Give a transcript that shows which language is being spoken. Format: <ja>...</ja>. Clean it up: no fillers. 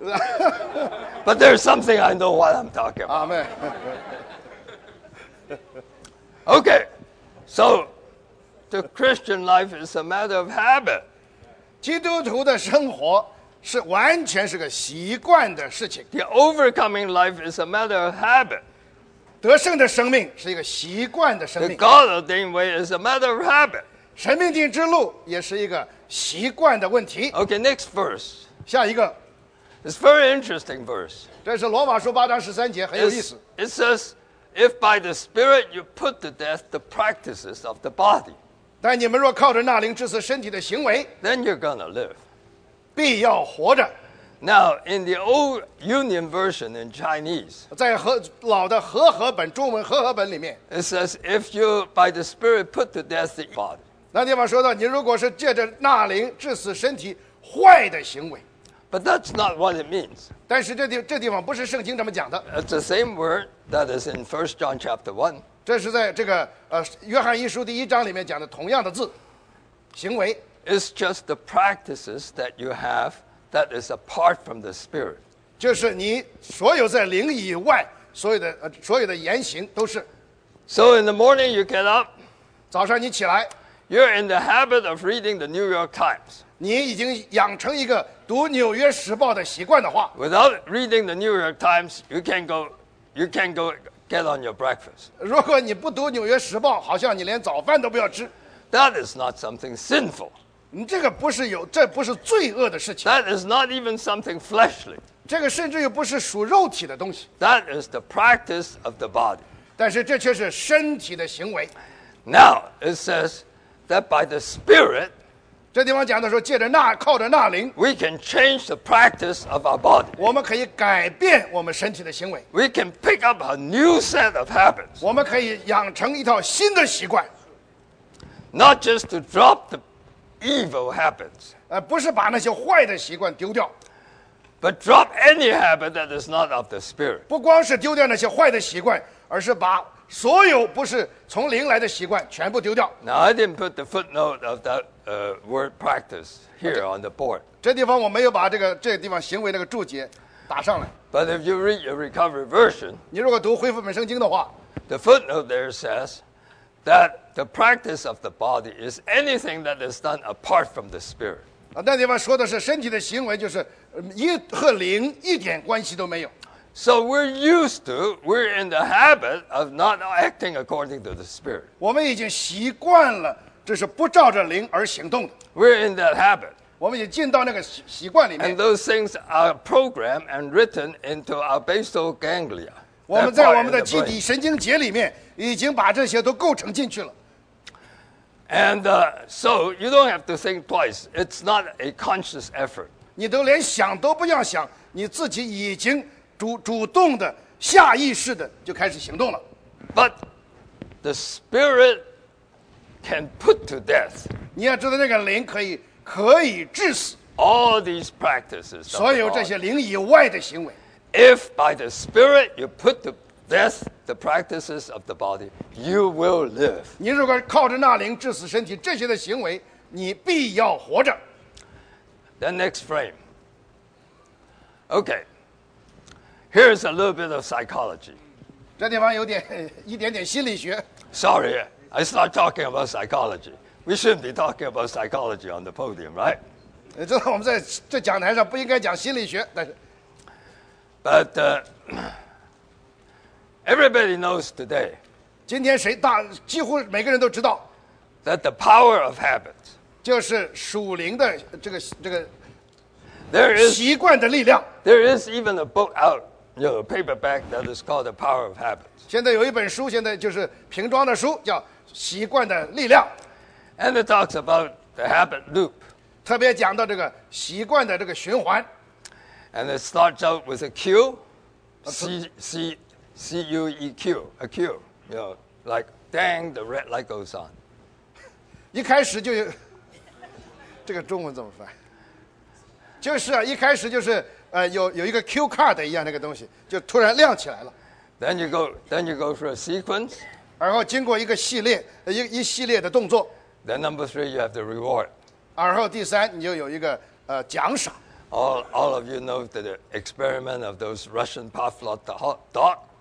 <en>But there's something I know what I'm talking about. Amen. Okay, So, the Christian life is a matter of habit.</en> <zh>基督徒的生活是完全是个习惯的事情。</zh> <en>The overcoming life is a matter of habit.</en> <zh>得胜的生命是一个习惯的生命。</zh> <en>The God-ordained way is a matter of habit.</en> <zh>神命定之路也是一个习惯的问题。</zh> <en>Okay, next verse.</en> <zh>下一个。</zh> <en>It's a very interesting verse.</en> <zh>这是罗马书八章十三节，很有意思。</zh> <en>It says, if by the Spirit you put to death the practices of the body,</en> <zh>但你们若靠着那灵致死身体的行为</zh> <en>then you're gonna live.</en> <zh>必要活着。</zh> <en>Now, in the old Union version in Chinese,</en> <zh>在老的和合本，中文和合本里面</zh> <en>it says, if you by the Spirit put to death the body.</en> <zh>那地方说到，你如果是借着那灵致死身体坏的行为。</zh> <en>But that's not what it means.</en> <zh>但是这地方不是圣经这么讲的。</zh> <en>It's the same word that is in 1 John chapter 1.</en> <zh>这是在这个约翰一书第一章里面讲的同样的字，行为。</zh> <en>It's just the practices that you have that is apart from the Spirit.</en> <zh>就是你所有在灵以外所有的言行都是。</zh> <en>So in the morning you get up.</en> <zh>早上你起来。</zh> <en>You're in the habit of reading the New York Times.</en> <zh>你已经养成一个读《纽约时报》的习惯的话。</zh> <en>Without reading the New York Times, you can't go get on your breakfast.</en> <zh>如果你不读《纽约时报》，好像你连早饭都不要吃。</zh> <en>That is not something sinful.</en> <zh>你这个不是罪恶的事情。</zh> <en>That is not even something fleshly.</en> <zh>这个甚至又不是属肉体的东西。</zh> <en>That is the practice of the body.</en> <zh>但是这却是身体的行为。</zh> <en>Now it says. That by the Spirit,</en> <zh>这地方讲的说，借着那靠着那灵</zh> <en>，we can change the practice of our body.</en> <zh>我们可以改变我们身体的行为。</zh> <en>We can pick up a new set of habits.</en> <zh>我们可以养成一套新的习惯。</zh> <en>Not just to drop the evil habits.</en> <zh>不是把那些坏的习惯丢掉。</zh> <en>But drop any habit that is not of the Spirit.</en> <zh>不光是丢掉那些坏的习惯，而是把。所有不是从灵来的习惯全部丢掉。</zh> <en>Now I didn't put the footnote of that word practice here on the board.</en> <zh>这地方我没有把这个地方行为那个注解打上来。</zh> <en>But if you read your recovery version,</en> <zh>你如果读恢复本圣经的话</zh> <en>，the footnote there says that the practice of the body is anything that is done apart from the spirit.</en> <zh>那地方说的是身体的行为就是一和灵一点关系都没有。</zh> <en>So we're used to, we're in the habit of not acting according to the Spirit.</en> <zh>我们已经习惯了，这是不照着灵而行动的。</zh> <en>We're in that habit.</en> <zh>我们已经进到那个习惯里面。</zh> <en>And those things are programmed and written into our basal ganglia.</en> <zh>我们在我们的基底神经节里面已经把这些都构成进去了。</zh> <en>And so you don't have to think twice. It's not a conscious effort.</en> <zh>你都连想都不要想，你自己已经。主动的下意识的就开始行动了</zh> <en>But the spirit can put to death</en> <zh>你要知道那个灵可以致死</zh> <en>All these practices</en> <zh>所有这些灵以外的行为</zh> <en>If by the spirit you put to death the practices of the body you will live</en> <zh>你如果靠着那灵致死身体这些的行为你必要活着</zh> <en>Then next frame OkayHere's a little bit of psychology.</en> <zh>这地方有点一点点心理学。</zh> <en>Sorry, I start talking about psychology. We shouldn't be talking about psychology on the podium, right?</en> <zh>知道我们在这讲台上不应该讲心理学，但是。</zh> <en>But everybody knows today.</en> <zh>今天谁大几乎每个人都知道。</zh> <en>That the power of habits.</en> <zh>就是属灵的这个。</zh> <en>There is</en> <zh>习惯的力量。</zh> <en>There is even a book out.</en> <zh>有</zh> <en>paperback that is called the Power of Habits.</en> <zh>现在有一本书，现在就是瓶装的书，叫《习惯的力量》。</zh> <en>And it talks about the habit loop.</en> <zh>特别讲到这个习惯的这个循环。</zh> <en>And it starts out with a cue, C U E Q, a cue. You know, like dang, the red light goes on.</en> <zh>一开始就这个中文怎么翻？就是啊，一开始就是。有一个 Q card 的一样那个东西，就突然亮起来了。</zh> <en>Then you go through a sequence.</en> <zh>然后经过一个系列，一系列的动作。</zh> <en>Then number three, you have the reward.</en> <zh>然后第三，你就有一个奖赏。</zh> <en>All of you know the experiment of those Russian Pavlov dog.</en>